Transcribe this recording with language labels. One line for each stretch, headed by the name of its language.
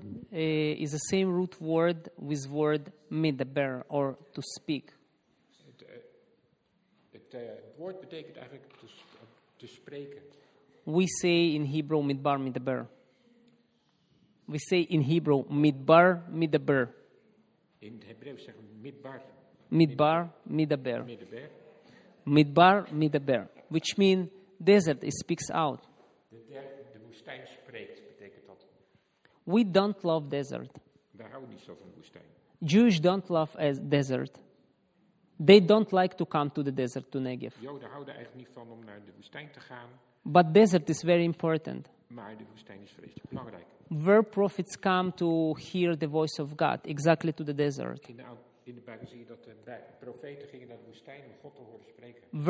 English: is the same root word with word midaber, or to speak.
Dutch: Het woord betekent eigenlijk te spreken.
English: We say in Hebrew midbar midaber. We say in Hebrew midbar midaber.
Dutch: In het Hebreeuws zeggen midbar.
Hebrew: Midbar midaber.
English: Midbar midaber, which means desert. It speaks out.
Dutch: De woestijn spreekt, betekent dat.
English: We don't love desert.
Dutch: We houden niet zo van woestijn.
English: Jews don't love as desert. They don't like to come to the desert, to Negev.
Dutch: Joden houden eigenlijk niet van om naar de woestijn te gaan.
English: But desert is very important.
Dutch: Maar de woestijn is vreselijk belangrijk.
English: Where prophets come to hear the voice of God, exactly to the desert.
Dutch: In de Bijbel zie je dat de profeten gingen naar de woestijn om God te horen spreken.